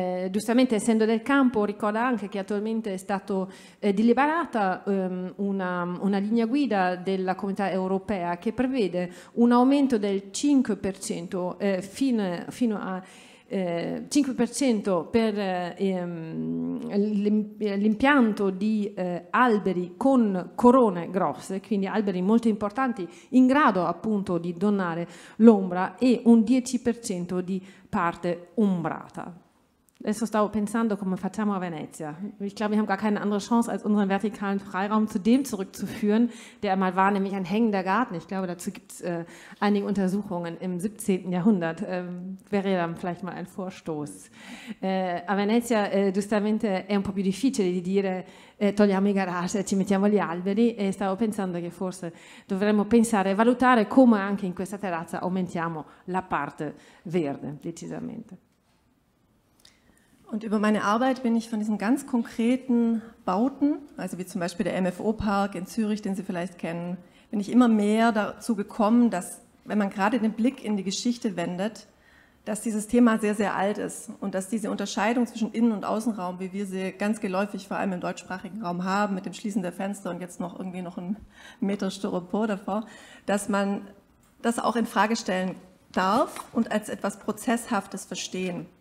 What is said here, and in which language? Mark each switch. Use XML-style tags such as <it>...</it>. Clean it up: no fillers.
<it>Giustamente, essendo del campo, ricorda anche che attualmente è stata deliberata una linea guida della Comunità Europea che prevede un aumento del 5% fino a 5% per l'impianto di alberi con corone grosse, quindi alberi molto importanti in grado appunto di donare l'ombra, e un 10% di parte umbrata. Adesso stavo pensando come facciamo a Venezia.</it> <de>Ich glaube, wir haben gar keine andere Chance, als unseren vertikalen Freiraum zu dem zurückzuführen, der einmal war, nämlich ein hängender Garten. Ich glaube, dazu gibt es einige Untersuchungen im 17. Jahrhundert. Wäre dann vielleicht mal ein Vorstoß.</de> <it>A Venezia, giustamente, è un po' più difficile di dire togliamo i garage, ci mettiamo gli alberi, e stavo pensando che forse dovremmo pensare e valutare come anche in questa terrazza aumentiamo la parte verde, decisamente.</it> <de>Und über meine Arbeit bin ich von diesen ganz konkreten Bauten, also wie zum Beispiel der MFO-Park in Zürich, den Sie vielleicht kennen, bin ich immer mehr dazu gekommen, dass, wenn man gerade den Blick in die Geschichte wendet, dass dieses Thema sehr, sehr alt ist und dass diese Unterscheidung zwischen Innen- und Außenraum, wie wir sie ganz geläufig vor allem im deutschsprachigen Raum haben, mit dem Schließen der Fenster und jetzt noch irgendwie noch ein Meter Styropor davor, dass man das auch in Frage stellen darf und als etwas Prozesshaftes verstehen.</de>